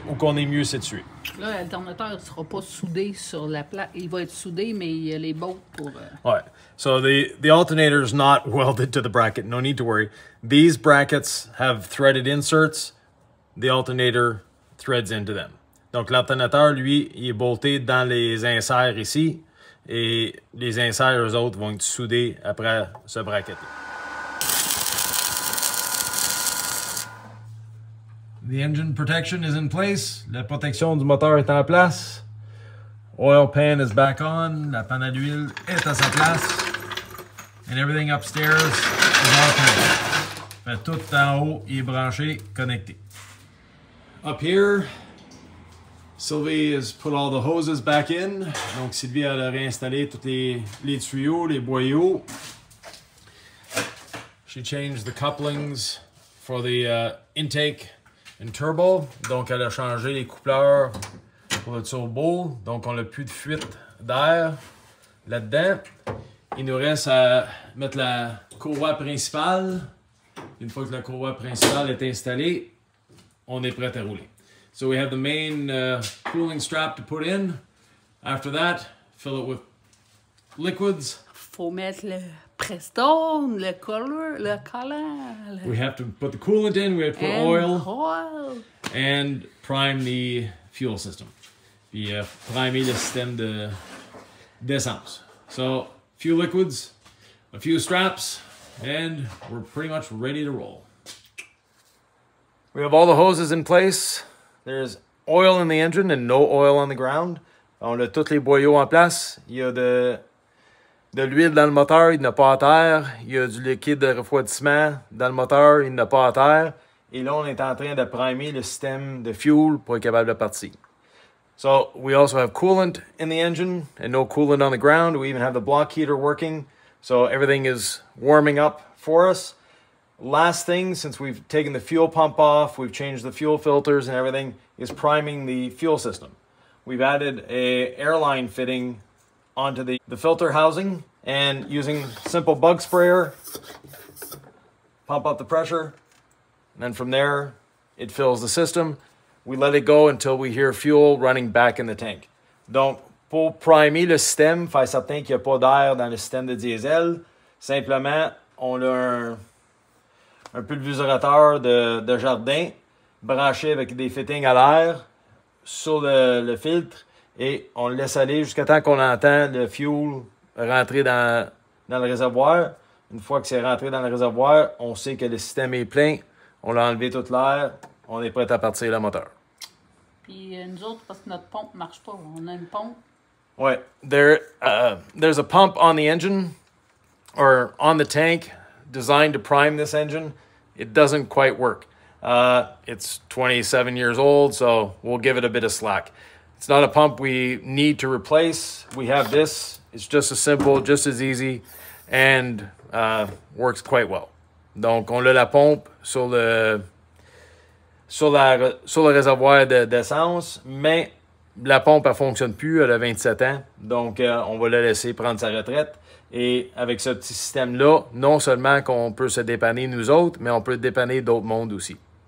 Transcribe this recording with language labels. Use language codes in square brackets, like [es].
[fr] Là, l'alternateur ne sera pas soudé sur la plaque. Il va être soudé, mais il y a les bolts pour... [en] So the alternator is not welded to the bracket. No need to worry. These brackets have threaded inserts. The alternator threads into them. [fr] Donc, l'alternateur, lui, il est bolté dans les inserts ici. Et les inserts, eux autres, vont être soudés après ce bracket-là. [en] The engine protection is in place. [fr] La protection du moteur est en place. [en] Oil pan is back on. [fr] La panne à l'huile est à sa place. [en] And everything upstairs is all connected. [fr] Tout en haut est branché, connecté. [en] up here. Sylvie has put all the hoses back in. [fr] Donc Sylvie a réinstallé tous les tuyaux, les boyaux. [en] She changed the couplings for the intake and turbo. [fr] Donc elle a changé les coupleurs pour le turbo. Donc on n'a plus de fuite d'air là-dedans. Il nous reste à mettre la courroie principale. Une fois que la courroie principale est installée, on est prêt à rouler. [en] So we have the main cooling strap to put in. After that, fill it with liquids. [fr] Faut mettre le Prestone, le color, le collant. [en] We have to put the coolant in, we have to put oil. And prime the fuel system. [fr] Puis primer le système de d'essence. [en] So, a few liquids, a few straps, and we're pretty much ready to roll. We have all the hoses in place. There's oil in the engine and no oil on the ground. [fr] On a tous les boyaux en place. Il y a de l'huile dans le moteur, il n'y en a pas à terre. Il y a du liquide de refroidissement dans le moteur, il n'y en a pas à terre. Et là, on est en train de primer le système de fuel pour être capable de partir. [en] So, we also have coolant in the engine and no coolant on the ground. We even have the block heater working. So, everything is warming up for us. Last thing, since we've taken the fuel pump off, we've changed the fuel filters and everything, is priming the fuel system. We've added a airline fitting onto the filter housing and using simple bug sprayer, pump up the pressure. And then from there, it fills the system. We let it go until we hear fuel running back in the tank. [fr] Donc, pour primer le système, faire certain qu'il n'y a pas d'air dans le système de diesel, simplement, on a un pulvérisateur de jardin branché avec des fittings à l'air sur le filtre et on le laisse aller jusqu'à temps qu'on entend le fuel rentrer dans le réservoir. Une fois que c'est rentré dans le réservoir, on sait que le système est plein, on l'a enlevé toute l'air, on est prêt à partir le moteur. Puis nous autres, parce que notre pompe marche pas, on a une pompe. [en] Ouais, there's a pump on the engine, or on the tank, designed to prime this engine, it doesn't quite work. It's 27 years old, so we'll give it a bit of slack. It's not a pump we need to replace. We have this, it's just as simple, just as easy, and works quite well. [fr] Donc, on a la pompe sur le réservoir d'essence, mais la pompe, elle fonctionne plus, elle a 27 ans, donc on va la laisser prendre sa retraite. Et avec ce petit système-là, non seulement qu'on peut se dépanner nous autres, mais on peut dépanner d'autres mondes aussi.